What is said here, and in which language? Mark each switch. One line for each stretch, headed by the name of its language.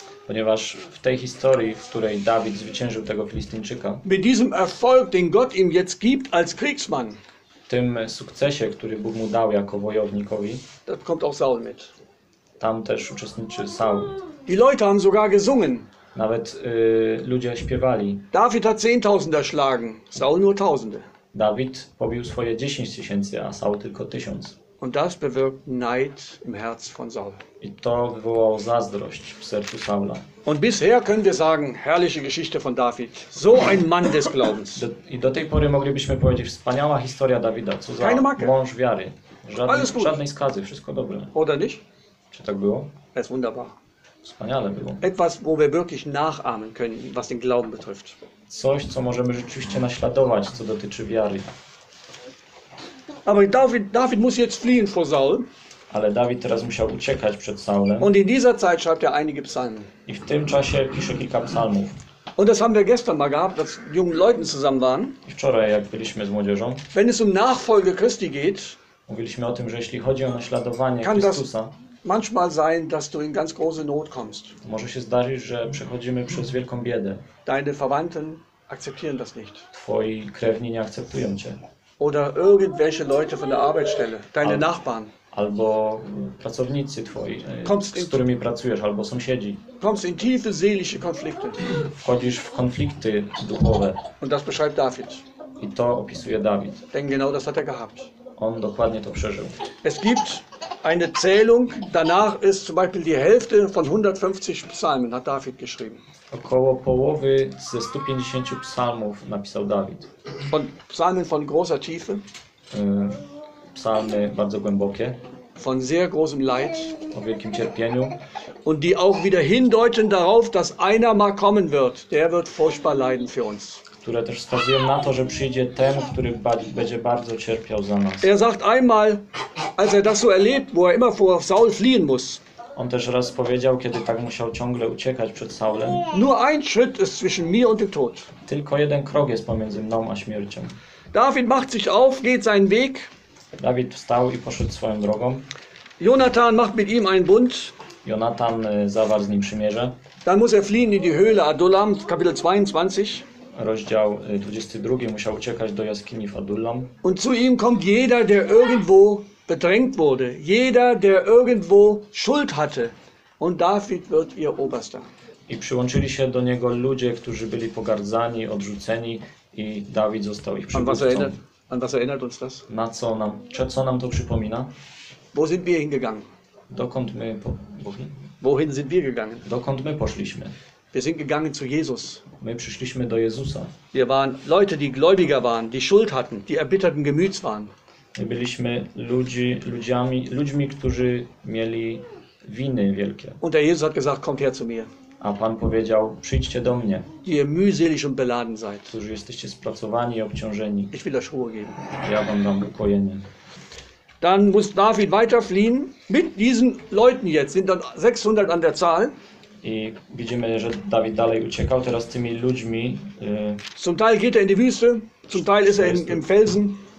Polish: Ponieważ w tej historii, w której Dawid zwyciężył tego Filistyńczyka.
German: Mit diesem Erfolg, den Gott ihm jetzt gibt als Kriegsmann.
Polish: Tym sukcesie, który Bóg mu dał jako wojownikowi.
German: Da kommt auch Saul mit.
Polish: Tam też uczestniczy Saul.
German: Die Leute haben sogar gesungen.
Polish: Nawet ludzie śpiewali.
German: David hat 10.000 erschlagen, Saul nur tausende.
Polish: Dawid pobił swoje 10 tysięcy, a Saul tylko 1000.
German: Und das bewirkt Neid im Herz von Saul.
Polish: I to wywołało zazdrość w sercu Saula.
German: Und bisher können wir sagen, herrliche Geschichte von David. So ein Mann des Glaubens.
Polish: I do tej pory moglibyśmy powiedzieć, wspaniała historia Dawida. Co za mąż wiary. Żadnej skazy, wszystko dobre.
German: Oder nicht?
Polish: Czy tak było?
German: Es wunderbar.
Polish: Wspaniale było.
German: Etwas, wo wir wirklich nachahmen können, was den Glauben betrifft.
Polish: Coś, co możemy rzeczywiście naśladować, co dotyczy wiary.
German: Aber David muss jetzt fliehen vor Saul.
Polish: Ale Dawid teraz musiał uciekać przed Saulem.
German: Und in dieser Zeit schreibt er einige Psalmen.
Polish: I w tym czasie pisze kilka psalmów.
German: Und das haben wir gestern mal gehabt, als wir mit jungen Leuten zusammen waren.
Polish: I wczoraj, jak byliśmy z młodzieżą.
German: Wenn es um Nachfolge Christi geht.
Polish: Mówiliśmy o tym, że jeśli chodzi o naśladowanie
German: kann
Polish: Chrystusa.
German: Das manchmal sein, dass du in ganz große Not kommst.
Polish: Może się zdarzyć, że przechodzimy przez wielką biedę.
German: Deine Verwandten akzeptieren das nicht.
Polish: Twoi krewni nie akceptują cię.
German: Oder irgendwelche Leute von der Arbeitsstelle, deine Nachbarn.
Polish: Albo pracownicy twoi, kommst z którymi pracujesz, albo sąsiedzi.
German: Kommst in tiefe seelische Konflikte.
Polish: Wchodzisz w konflikty duchowe.
German: Und das beschreibt David.
Polish: I to opisuje Dawid.
German: Denn genau das hat er gehabt.
Polish: On dokładnie to przeżył.
German: Es gibt eine Zählung. Danach ist zum Beispiel die Hälfte von 150 Psalmen hat David geschrieben.
Polish: Około połowy ze 150 psalmów napisał Dawid.
German: Von Psalmen von großer Tiefe.
Polish: Psalmy bardzo głębokie.
German: Von sehr großem Leid.
Polish: O wielkim cierpieniu.
German: Und die auch wieder hindeuten darauf, dass einer mal kommen wird. Der wird furchtbar leiden für uns.
Polish: Które też wskazują na to, że przyjdzie ten, który będzie bardzo cierpiał za nas.
German: Er sagt einmal, als er das so erlebt, wo er immer vor Saul fliehen muss.
Polish: On też raz powiedział, kiedy tak musiał ciągle uciekać przed Saulem.
German: Nur ein Schritt ist zwischen mir und dem Tod.
Polish: Tylko jeden krok jest pomiędzy mną a śmiercią.
German: David macht sich auf, geht seinen Weg.
Polish: Dawid wstał i poszedł swoją drogą.
German: Jonathan macht mit ihm einen Bund.
Polish: Jonathan zawarł z nim przymierze.
German: Dann muss er fliehen in die Höhle Adullam, Kapitel 22.
Polish: Rozdział 22 musiał uciekać do jaskini w Adullam.
German: Und zu ihm kommt jeder, der irgendwo bedrängt wurde, jeder, der irgendwo Schuld hatte, und David wird ihr Oberster.
Polish: I przyłączyli się do niego ludzie, którzy byli pogardzani, odrzuceni, i Dawid został ich przywódcą.
German: An was erinnert uns das?
Polish: Na co nam, co nam to przypomina?
German: Wo sind wir hingegangen?
Polish: Dokąd my
German: wohin sind wir gegangen?
Polish: Dokąd my poszliśmy?
German: Wir sind gegangen zu Jesus.
Polish: My przyszliśmy do Jezusa.
German: Wir waren Leute, die gläubiger waren, die Schuld hatten, die erbitterten Gemüts waren.
Polish: My byliśmy ludźmi, którzy mieli winy wielkie.
German: Und der Jesus hat gesagt, kommt her zu mir.
Polish: A Pan powiedział, przyjdźcie do mnie.
German: Die mühselig und beladen seid.
Polish: Którzy jesteście spracowani i obciążeni.
German: Ich will euch Ruhe geben.
Polish: Ja wam dam ukojenie.
German: Dann muss David weiter fliehen mit diesen Leuten jetzt. Sind dann 600 an der Zahl.
Polish: I widzimy, że Dawid dalej uciekał teraz tymi ludźmi.
German: Zum Teil geht er in die Wüste, zum Teil ist er im Felsen.